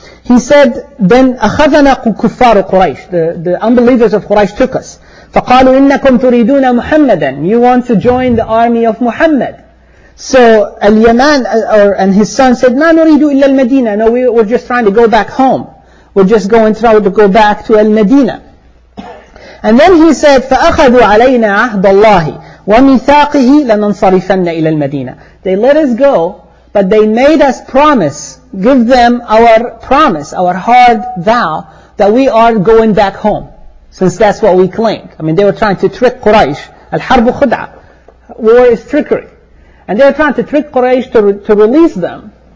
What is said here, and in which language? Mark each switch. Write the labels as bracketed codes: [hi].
[en] He said, then [ar] أَخَذَنَا كُفَّارُ [en] Quraysh. The unbelievers of Quraysh took us. [ar] فَقَالُوا إِنَّكُمْ تُرِيدُونَ مُحَمَّدًا. [en] You want to join the army of Muhammad. So al-Yaman and his son said, [ar] مَا نُرِيدُ إِلَّا الْمَدِينَ. [en] No, we're just trying to go back home. We're just going to try to go back to Al-Madina. And then he said, [ar] فَأَخَذُوا عَلَيْنَا عَهْدَ اللَّهِ وَمِثَاقِهِ لَنَنْصَرِفَنَّ إِلَى الْمَدِينَةِ. [en] They let us go, but they made us promise, give them our promise, our hard vow, that we are going back home, since that's what we claim. I mean, they were trying to trick Quraysh. [ar] Al-Harbu Khud'a. [en] War is trickery. And they were trying to trick Quraysh to release them.